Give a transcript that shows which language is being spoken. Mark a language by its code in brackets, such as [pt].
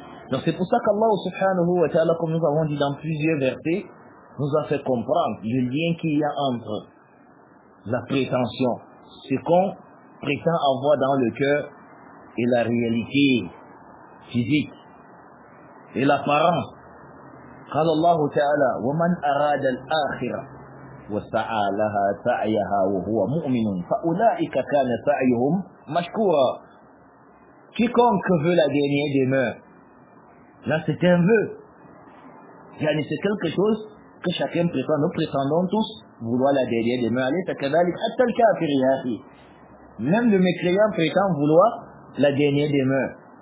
[fr] Donc c'est pour ça qu'Allah subhanahu wa ta'ala, comme nous avons dit dans plusieurs versets, nous a fait comprendre le lien qu'il y a entre la prétention, ce qu'on prétend avoir dans le cœur, et la réalité physique et l'apparence. [ar] قال الله تعالى ومن أراد الآخرة وسعى لها سعيها وهو مؤمن فأولئك كان سعيهم مشكورا. [fr] Quiconque veut la dernière demeure, là c'est un vœu, يعني c'est quelque chose que chacun prétend. Nous prétendons tous vouloir la dernière demeure. Allez, c'est [ar] كذلك حتى الكافر ياخي, [fr] même le mécréant prétend vouloir la dernière demeure.